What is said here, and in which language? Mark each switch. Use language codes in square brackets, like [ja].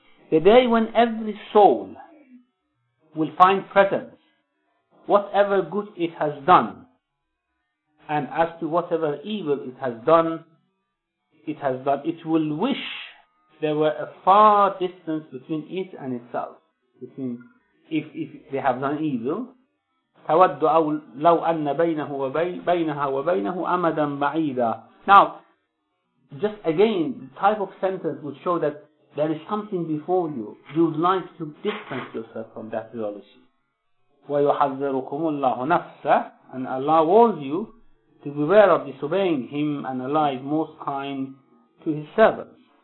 [en] The day when every soul will find presence, whatever good it has done, and as to whatever evil it has done, it has done, it will wish there were a far distance between it and itself. Between if they have done evil, [ar] تَوَدُّ لَوْ أَنَّ بَيْنَهُ وَبَيْنَهَا وَبَيْنَهُ أَمَدًا بَعِيدًا. [en] Now, just again, the type of sentence would show that there is something before you. You would like to distance yourself from that reality. [ar] وَيُحَذِّرُكُمُ اللَّهُ نَفْسَهُ, [en] and Allah warns you to beware of disobeying Him, and Allah is most kind to His servants.